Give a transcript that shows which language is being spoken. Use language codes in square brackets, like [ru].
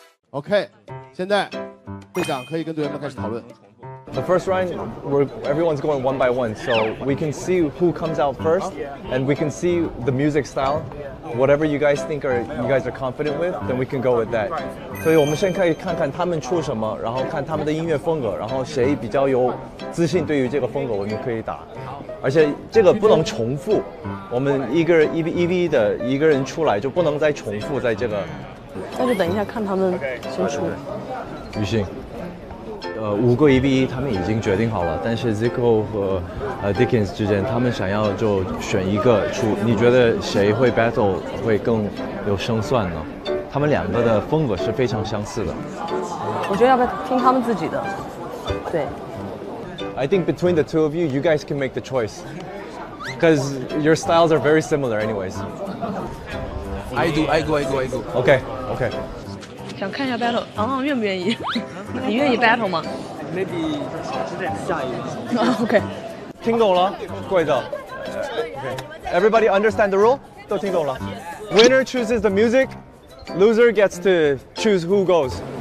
[zh] OK， 现在队长可以跟队员们开始讨论。 [en] The first round, everyone's going one by one, so we can see who comes out first, and we can see the music style. Whatever you guys think are you guys are confident with, then we can go with that. [zh] 所以我们先可以看看他们出什么，然后看他们的音乐风格，然后谁比较有自信对于这个风格，我们可以打。而且这个不能重复，我们一个人EV的一个人出来就不能再重复在这个。那就等一下看他们先出。雨欣，五个一比一，他们已经决定好了。但是 Zico 和Dickens 之间，他们想要就选一个出。你觉得谁会 battle 会更有胜算呢？他们两个的风格是非常相似的。我觉得要不要听他们自己的？对。 [en] I think between the two of you, you guys can make the choice, because your styles are very similar, anyways. I go. OK. OK， [zh] 想看一下 battle， 昂昂愿不愿意？你愿意 battle 吗？Maybe 下一个。OK，听懂了，规则。OK， [en] Everybody understand the rule？ [zh] 都听懂了。 [en] Winner chooses the music，loser gets to choose who goes。